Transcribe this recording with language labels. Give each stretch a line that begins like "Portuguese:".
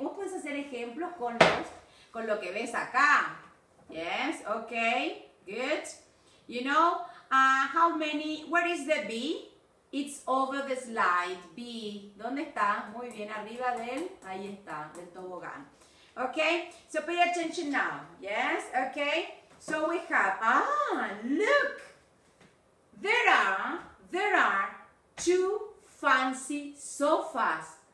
Spanish: Vos puedes hacer ejemplos con lo que ves acá.
English: Yes, okay, good. You know, how many, where is the bee? It's over the slide, bee.
Spanish: ¿Dónde está? Muy bien, arriba del, ahí está, del tobogán.
English: Okay, so pay attention now, yes, okay. So we have, look, there are two fancy sofas.